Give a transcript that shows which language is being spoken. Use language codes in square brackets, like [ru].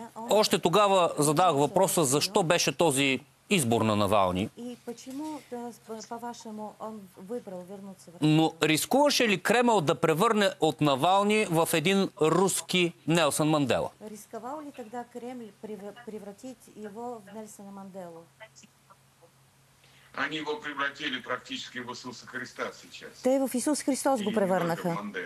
[bg] Още тогава задах въпроса, защо беше този избор на Навални. [ru] И почему, по-вашему, он выбрал вернуться в... [bg] Но рискуваше ли Кремъл да превърне от Навални в един руски Нелсън Мандела? [ru] Рисковал ли тогда Кремль превратить его в Нелсона Мандела? Они его превратили практически в Иисуса Христа сейчас. [bg] Те в Иисус Христос го превърнаха.